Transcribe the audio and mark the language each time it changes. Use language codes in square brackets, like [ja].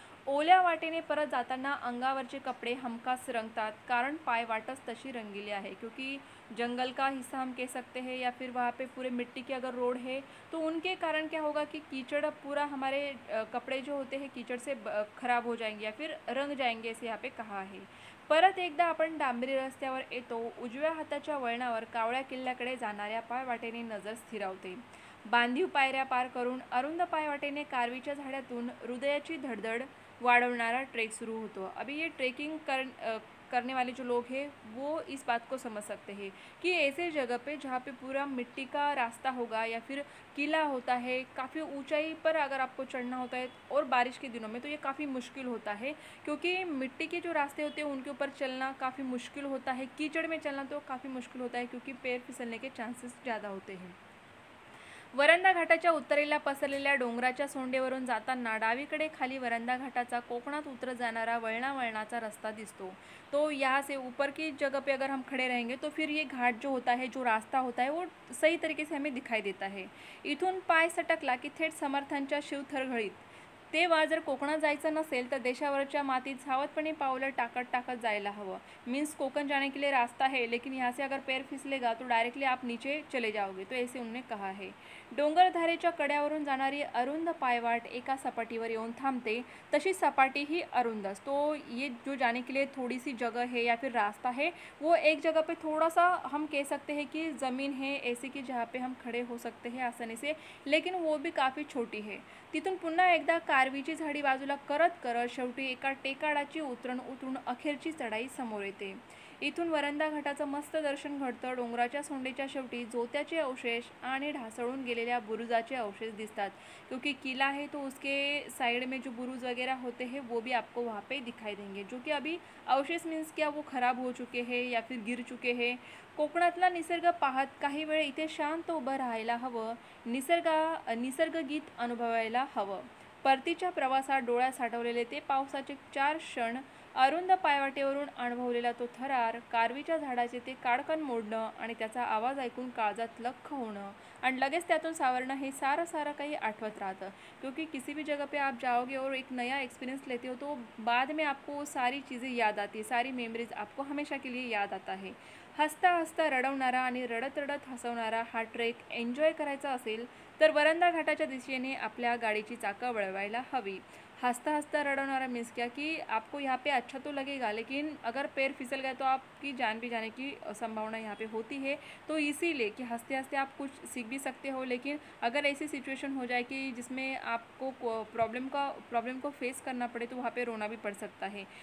[mr] ओल्या वाटेने परत जाताना अंगावरचे कपडे हमखास रंगतात, कारण पाय वाटच तशी रंगिली आहे, [hi] क्योंकि जंगल का हिस्सा हम कह सकते हैं या फिर वहाँ पे पूरे मिट्टी के अगर रोड है तो उनके कारण क्या होगा कि कीचड़ पूरा हमारे कपड़े जो होते हैं कीचड़ से खराब हो जाएंगे या फिर रंग जाएंगे ऐसे यहाँ पे कहा है। [mr] परत एकदा आपण डांबरी रस्त्यावर येतो, उजव्या हाताच्या वळणावर कावळ्या किल्ल्याकडे जाणाऱ्या पायवाटेने नजर स्थिरावते। बांधीव पायऱ्या पार करून अरुंद पायवाटेने कारवीच्या झाड्यातून हृदयाची धडधड वाढवणारा ट्रेक सुरू होतो। [hi] अभी ये ट्रेकिंग करने वाले जो लोग हैं वो इस बात को समझ सकते हैं कि ऐसे जगह पे जहाँ पे पूरा मिट्टी का रास्ता होगा या फिर किला होता है, काफ़ी ऊंचाई पर अगर आपको चढ़ना होता है और बारिश के दिनों में तो ये काफ़ी मुश्किल होता है, क्योंकि मिट्टी के जो रास्ते होते हैं उनके ऊपर चलना काफ़ी मुश्किल होता है। कीचड़ में चलना तो काफ़ी मुश्किल होता है क्योंकि पैर फिसलने के चांसेस ज़्यादा होते हैं। [mr] वरंदा घाटाच्या उत्तरेला पसरलेल्या डोंगराच्या सोंडेवरून जाताना डावीकडे खाली वरंदा घाटाचा कोकणात उतरत जाणारा वळणावळणाचा रस्ता दिसतो। [hi] तो यहाँ से ऊपर की जगह पे अगर हम खड़े रहेंगे तो फिर ये घाट जो होता है, जो रास्ता होता है, वो सही तरीके से हमें दिखाई देता है। [mr] इथून पाय सटकला की थेट समर्थांच्या शिवथरघळीत, तेव्हा जर कोकणात जायचं नसेल तर देशावरच्या मातीत सावधपणे पावलं टाकत टाकत जायला हवं। [hi] मीन्स कोकण जाने के लिए रास्ता है, लेकिन यहाँ से अगर पैर फिसलेगा तो डायरेक्टली आप नीचे चले जाओगे, तो ऐसे उन्होंने कहा है। [mr] डोंगरधारेच्या कड्यावरून जाणारी अरुंद पायवाट एका सपाटीवर येऊन थांबते, तशी सपाटी ही अरुंद। [hi] तो ये जो जाने के लिए थोड़ी सी जगह है या फिर रास्ता है वो एक जगह पर थोड़ा सा हम कह सकते हैं कि ज़मीन है ऐसे कि जहाँ पर हम खड़े हो सकते हैं आसानी से, लेकिन वो भी काफ़ी छोटी है। [mr] तिथून पुन्हा एकदा कारवीची झाडी बाजूला करत करत शेवटी एका टेकाडाची उतरण उतरून अखेरची चढाई समोर येते। इथून वरंदा घाटाचं मस्त दर्शन घडतं। डोंगराच्या सोंडेच्या शेवटी जोत्याचे अवशेष आणि ढासळून गेलेल्या बुरुजाचे अवशेष दिसतात, [hi] क्योंकि किला है तो उसके साइड में जो बुरुज वगैरह होते हैं वो भी आपको वहाँ पर दिखाई देंगे, जो कि अभी अवशेष मीन्स क्या वो खराब हो चुके हैं या फिर गिर चुके हैं। [mr] कोकणातला निसर्ग पाहत काही वेळ इथे शांत उभं राहायला हवं, निसर्ग गीत अनुभवायला हवं। परतीच्या प्रवासात डोळ्यात साठवलेले ते पावसाचे चार क्षण, अरुंद पायवाटेवरून अनुभवलेला तो थरार, कारवीच्या झाडाचे ते काडकन मोडणं आणि त्याचा आवाज ऐकून काळजात लख होणं आणि लगेच त्यातून सावरणं, हे सारं काही आठवत राहतं। [hi] क्योंकि किसी भी जगह पे आप जाओगे और एक नया एक्सपीरियंस लेते हो तो बाद में आपको सारी चीज़ें याद आती है, सारी मेमरीज आपको हमेशा के लिए याद आता है। [mr] हसता हसता रडवणारा आणि रडत रडत हसवणारा हा ट्रेक एन्जॉय करायचा असेल तर वरंदा घाटाच्या दिशेने आपल्या गाडीची चाकं वळवायला हवी। [hi] हसता हसता रडवणारा मीन्स क्या की आपको यहाँ पे अच्छा तो लगेगा, लेकिन अगर पैर फिसल गए तो आपकी जान भी जाने की संभावना यहाँ पे होती है। तो इसीलिए कि हंसते हंसते आप कुछ सीख भी सकते हो, लेकिन अगर ऐसी सिचुएशन हो जाए कि जिसमें आपको प्रॉब्लम को फेस करना पड़े तो वहाँ पे रोना भी पड़ सकता है।